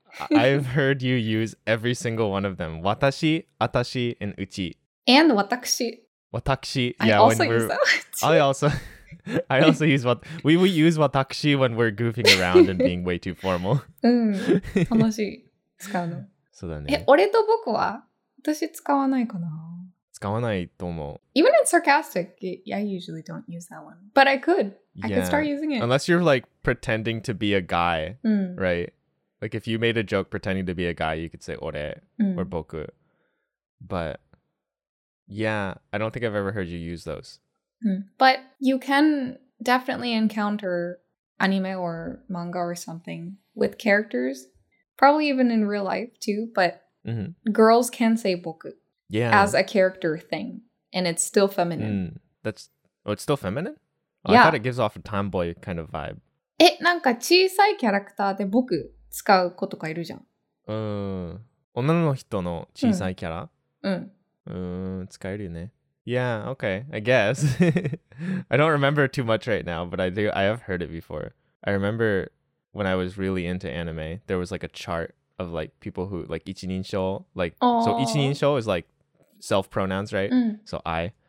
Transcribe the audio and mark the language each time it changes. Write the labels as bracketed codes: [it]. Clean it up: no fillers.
[en] Like,I've heard you use every single one of them. Watashi, atashi, and uchi. And watakushi. Watakushi. Yeah, I also use that. I also use watakushi. We use watakushi when we're goofing around and being way too formal. [ja] 楽しい。使うの。そうだね。俺と僕は私使わないかな。使わないと思う。 [en] Even in sarcastic, I usually don't use that one. But I could. Yeah. I could start using it. Unless you're like pretending to be a guy, right? Like, if you made a joke pretending to be a guy, you could say ore or boku. But, yeah, I don't think I've ever heard you use those. But you can definitely encounter anime or manga or something with characters, probably even in real life, too. But girls can say boku as a character thing, and it's still feminine. It's still feminine? Oh, yeah. I thought it gives off a tomboy kind of vibe. [ja] なんか小さいキャラクターで boku. 使う子とかいるじゃん。女の人の小さいキャラ。使えるよね。 [en] Yeah, okay, I guess. I don't remember too much right now, but I have heard it before. I remember when I was really into anime, there was like a chart of like people who, like, 一人称, like, so 一人称 is like self pronouns, right? So I.